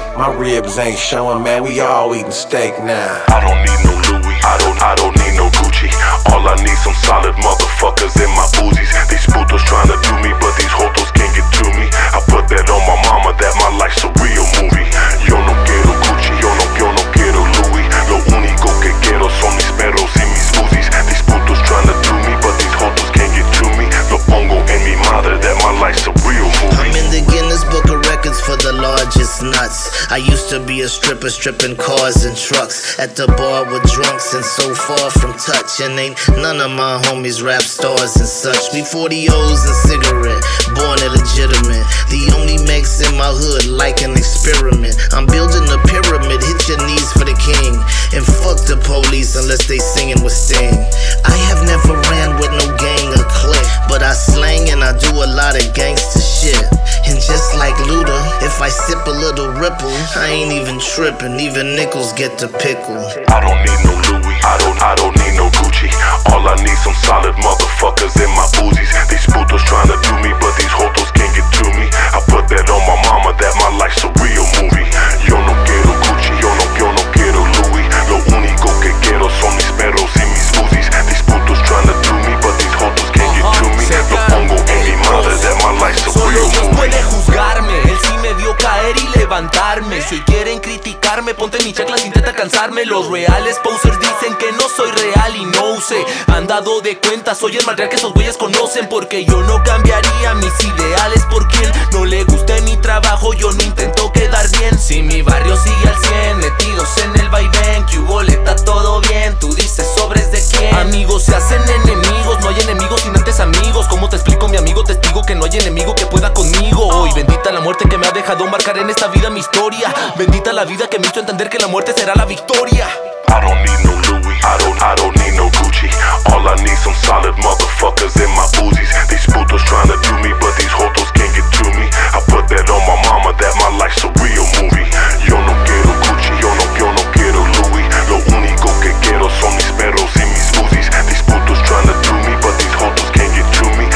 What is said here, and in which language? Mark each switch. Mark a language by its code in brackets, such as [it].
[en] My ribs ain't showing, man, we all eating steak now. I don't need no Louis, I don't need no Gucci. All I need some solid motherfuckers in my boozies. These putos trying to do me, but these hotos can't get to me. I put that on my mama, that my life's a real movie. [es] Yo no quiero Gucci, yo no quiero Louis. Lo único que quiero son mis perros y mis boozies. [en] These putos trying to do me, but these hotos can't get to me. [es] Lo pongo en mi madre, [en] that my life's a real movie. I'm in the Guinness Book of Records for the largest nuts. I used to be a stripper, stripping cars and trucks. At the bar with drunks and so far from touch. And ain't none of my homies rap stars and such. Me 40 O's and cigarette, born illegitimate. The only mix in my hood, like an experiment. I'm building a pyramid, hit your knees for the king. And fuck the police unless they singing with Sting. I have never ran with no gang or clique, but I slang and I do a lot of gangster shit. And just like Luda, if I sip a little Ripple, I ain't even tripping, even nickels get the pickle. I don't need no Louis, I don't need no Gucci. All I need some solid motherfuckers in my boozies. These putos trying to do me, but these hotos can't get to me. I put that on my mama, that my life's a real movie. [es] Yo no quiero Gucci, yo no quiero Louis. Lo único que quiero son mis perros y mis boozies. [en] These putos trying to do me, but these hotos can't get to me. [es] Lo pongo en mi madre, [en] that my life's a real movie. [es] Puede juzgarme, él sí me vio caer y levantarme. Si hoy quieren criticarme, ponte mi chacla, intenta cansarme. Los reales posers dicen que no soy real y no usé. Han dado de cuenta, soy el material que esos güeyes conocen. Porque yo no cambiaría mis ideales por quien no le guste mi trabajo. Yo no intento quedar bien. Si mi barrio sigue al 100, metidos en el vaivén. Que hubo, le está todo bien, tú dices sobres de quién. Amigos se hacen enemigos, no hay enemigos sin antes amigos. ¿Cómo te explico, mi amigo testigo, que no hay enemigo que pueda conmigo? Hoy bendita la muerte que me ha dejado marcar en esta vida mi historia. Bendita la vida que me hizo entender que la muerte será la victoria. [en] I don't need no Louis, I don't need no Gucci. All I need some solid motherfuckers in my boozies. These putos trying to do me, but these hotos can't get to me. I put that on my mama, that my life's a real movie. [es] Yo no quiero Gucci, yo no quiero Louis. Lo único que quiero son mis perros y mis boozies. [en] These putos trying to do me, but these hotos can't get to me.